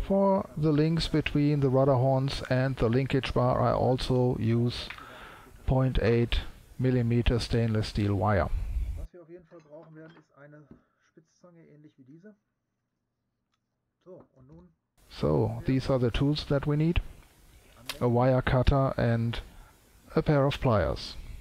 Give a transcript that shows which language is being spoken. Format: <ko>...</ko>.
<en>For the links between the rudder horns and the linkage bar, I also use 0,8 mm stainless steel wire.</en> <de>Was wir auf jeden Fall brauchen werden, ist eine Spitzzange ähnlich wie diese. So, und nun.</de> <en>So, these are the tools that we need. A wire cutter and a pair of pliers.</en>